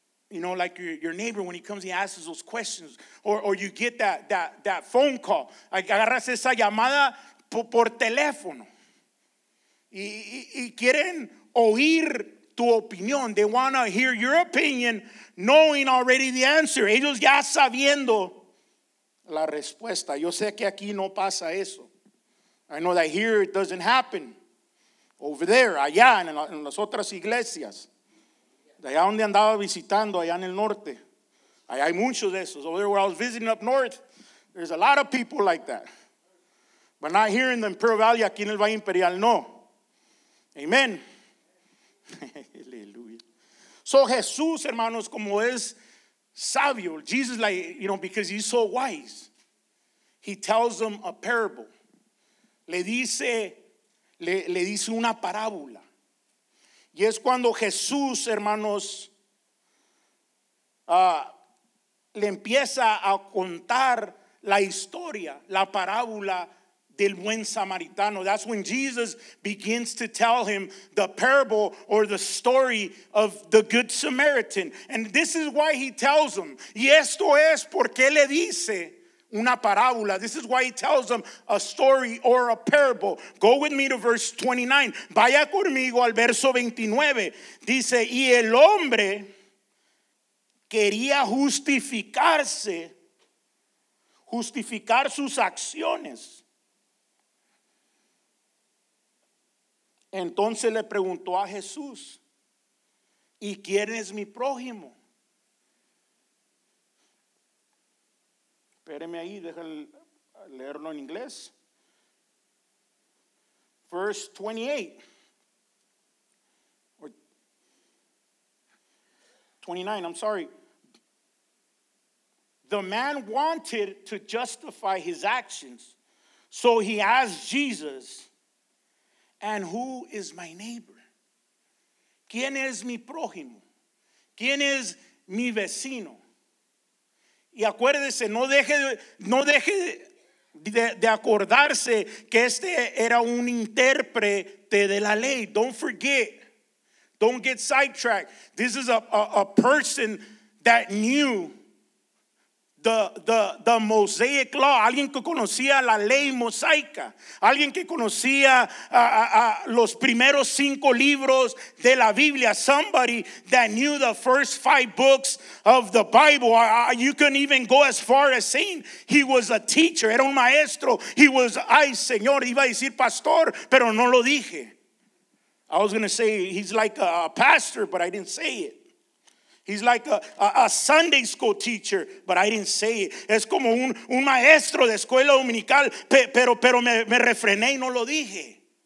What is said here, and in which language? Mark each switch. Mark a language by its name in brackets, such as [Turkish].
[English] You know, like your neighbor when he comes and asks those questions, or you get that phone call. [Spanish] Agarras esa llamada por teléfono y quieren oír tu opinión. [English] They want to hear your opinion, knowing already the answer. [Spanish] Ellos ya sabiendo la respuesta. Yo sé que aquí no pasa eso. [English] I know that here it doesn't happen. Over there, [Spanish] allá en las otras iglesias. Allá donde andaba visitando, allá en el norte. Allá hay muchos de esos. [English] Over there where I was visiting up north, there's a lot of people like that. But not here in the Imperial Valley, [Spanish] aquí en el Valle Imperial, no. [English] Amen. Aleluya. So Jesús, [Spanish] hermanos, como es sabio, [English] Jesus, like, you know, because he's so wise, he tells them a parable. [Spanish] Le dice una parábola. Y es cuando Jesús, hermanos, le empieza a contar la historia, la parábola del buen samaritano. [English] That's when Jesus begins to tell him the parable or the story of the good Samaritan. And this is why he tells him. [Spanish] Y esto es porque le dice una parábola. [English] This is why he tells them a story or a parable. Go with me to verse 29. [Spanish] Vaya conmigo al verso 29. Dice, y el hombre quería justificarse, justificar sus acciones. Entonces le preguntó a Jesús, ¿y quién es mi prójimo? Espéreme ahí, déjenme leerlo en inglés. [English] Verse 28. 29, I'm sorry. The man wanted to justify his actions. So he asked Jesus, and who is my neighbor? [Spanish] ¿Quién es mi prójimo? ¿Quién es mi vecino? Y acuérdese, no deje de acordarse que este era un intérprete de la ley. [English] Don't forget. Don't get sidetracked. This is a person that knew the Mosaic law. [Spanish] Alguien que conocía la ley mosaica. Alguien que conocía los primeros cinco libros de la Biblia. [English] Somebody that knew the first five books of the Bible. You can even go as far as saying he was a teacher. [Spanish] Era un maestro. [English] He was, [Spanish] ay, señor, iba a decir pastor, pero no lo dije. [English] I was going to say he's like a pastor, but I didn't say it. He's like a Sunday school teacher, but I didn't say it. [Spanish] Es como un maestro de escuela dominical, pero me refrené y no lo dije.